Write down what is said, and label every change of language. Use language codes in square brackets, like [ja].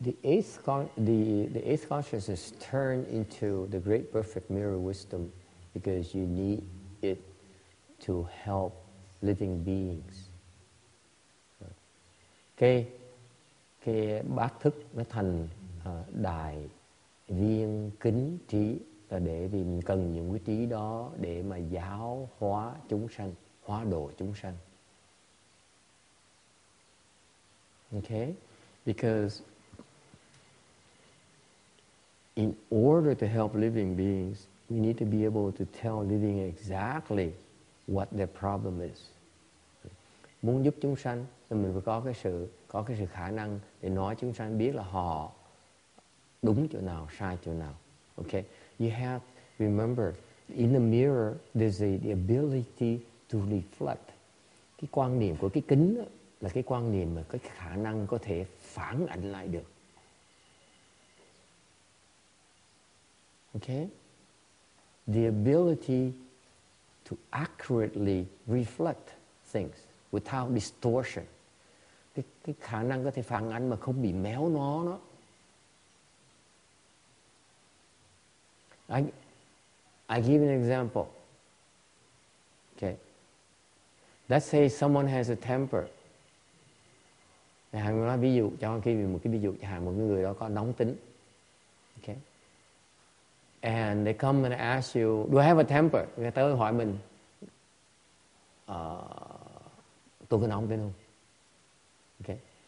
[en] The eighth consciousness turned into the great perfect mirror wisdom because you need it to help living beings. [vi] Cái bát thức nó thành đại viên kính trí. Là để vì mình cần những cái trí đó để mà giáo hóa chúng sanh, hóa độ chúng sanh. [en] Okay? Because in order to help living beings, we need to be able to tell living exactly what their problem is. [vi] Muốn giúp chúng sanh thì mình phải có cái sự khả năng để nói chúng sanh biết là họ đúng chỗ nào, sai chỗ nào. [en] Okay? You have, remember, in the mirror, there's the ability to reflect. [vi] Cái quan niệm của cái kính đó, là cái quan niệm mà cái khả năng có thể phản ảnh lại được. [en] Okay? The ability to accurately reflect things without distortion. [vi] Cái khả năng có thể phản ảnh mà không bị méo nó đó. [en] I give an example. Okay. Let's say someone has a temper. [vi] Hàng nói ví dụ cho khi mình một cái ví dụ hàng một người đó có nóng tính. [en] Okay. And they come and ask you, do I have a temper? [vi] Người ta hỏi mình, tôi có nóng tính không? Okay.